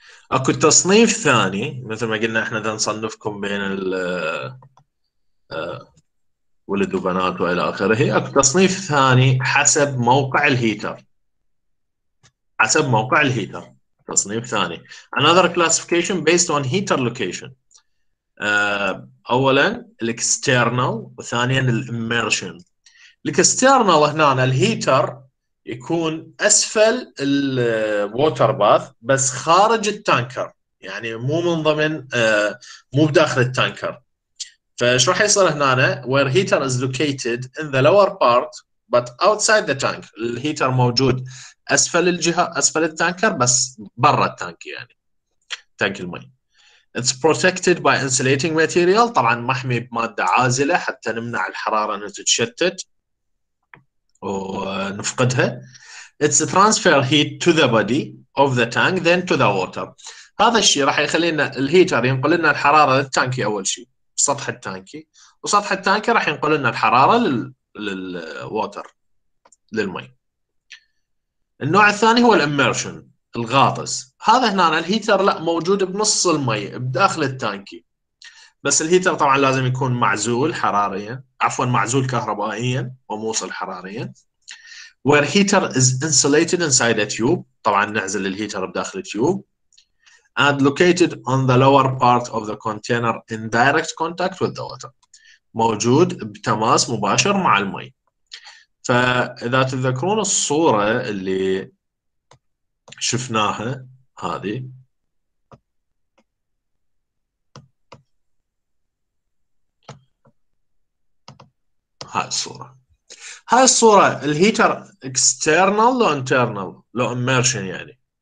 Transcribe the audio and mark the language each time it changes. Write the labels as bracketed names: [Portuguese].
[Arabic] اكو تصنيف ثاني مثل ما قلنا احنا ذا نصنفكم بين ال ولد وبنات والى اخره. اكو تصنيف ثاني حسب موقع الهيتر، حسب موقع الهيتر تصنيف ثاني. [English] Another classification based on heater location. [Arabic] اولا الاكسترنال وثانيا الاميرشن. الاكسترنال هنا الهيتر يكون اسفل الووتر باث بس خارج التانكر، يعني مو من ضمن مو بداخل التانكر. فايش راح يصير هنا؟ [English] Where heater is located in the lower part but outside the tank. [Arabic] الهيتر موجود اسفل الجهه، اسفل التانكر بس برا التانك، يعني تانك المي. [English] It's protected by insulating material، [Arabic] طبعا محمي بماده عازله حتى نمنع الحراره انها تتشتت ونفقدها. [English] It's a transfer heat to the body of the tank then to the water. [Arabic] هذا الشيء راح يخلينا الهيتر ينقل لنا الحراره للتانكي، اول شيء سطح التانكي، وسطح التانكي راح ينقل لنا الحراره للووتر للمي. النوع الثاني هو الاميرشن الغاطس. هذا هنا الهيتر لا موجود بنص المي بداخل التانكي، بس الهيتر طبعا لازم يكون معزول حراريا، عفوا معزول كهربائيا وموصل حراريا. [English] Where heater is insulated inside a tube، [Arabic] طبعا نعزل الهيتر بداخل التيوب. [English] And located on the lower part of the container in direct contact with the water، [Arabic] موجود بتماس مباشر مع المي. فإذا تذكرون الصورة اللي شفناها هذه، هاي الصورة، هاي الصورة الهيتر external لو internal لو immersion، يعني